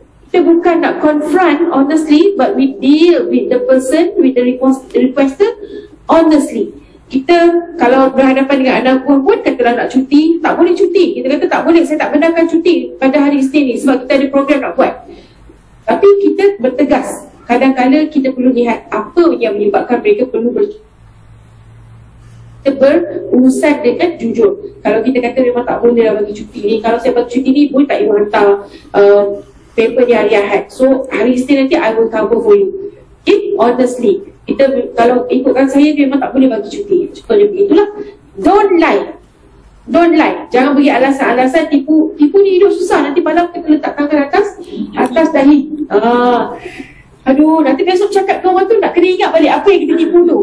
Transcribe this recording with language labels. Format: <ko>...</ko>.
<ms>Kita bukan nak</ms> <en>confront honestly, but we deal with the person, with the requester honestly.</en> <ms>Kita kalau berhadapan dengan anak buah pun, katalah nak cuti, tak boleh cuti. Kita kata tak boleh, saya tak benarkan cuti pada hari Isnin ni sebab kita ada program nak buat. Tapi kita bertegas. Kadang-kadang kita perlu lihat apa yang menyebabkan mereka perlu kita berurusan dengan jujur. Kalau kita kata memang tak boleh lah bagi cuti ni, kalau saya bagi cuti ni pun tak ingin hantar paper di hari Ahad.</ms> <en>So</en> <ms>hari Isnin nanti</ms> <en>I will cover for you. Okay, honestly.</en> <ms>Kita kalau ikutkan saya memang tak boleh bagi cuti. Contohnya begitulah.</ms> <en>Don't lie. Don't lie.</en> <ms>Jangan bagi alasan-alasan tipu. Tipu ni hidup susah. Nanti malam kita letak tangan atas dahi. Aduh, nanti besok cakap dengan orang tu nak kena ingat balik apa yang kita tipu tu.</ms>